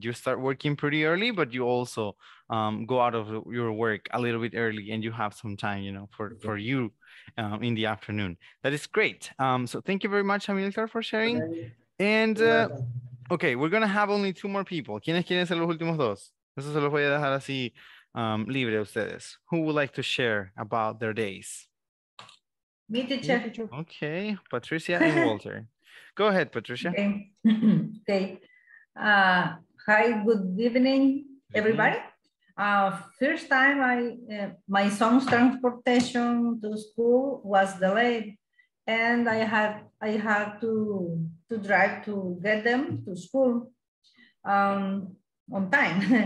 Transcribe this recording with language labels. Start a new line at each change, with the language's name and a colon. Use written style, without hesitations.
English: You start working pretty early, but you also go out of your work a little bit early and you have some time, you know, for you in the afternoon. That is great. So thank you very much, Amilcar, for sharing. And okay, we're going to have only two more people.
Spanish: ¿Quiénes quieren ser los últimos dos? Eso se los voy a dejar así libre a ustedes.
English: Who would like to share about their days? Me, teacher. Okay, Patricia and Walter. Go ahead, Patricia. Okay. Hi, good evening, everybody. First time my son's transportation to school was delayed, and I had to drive to get them to school on time.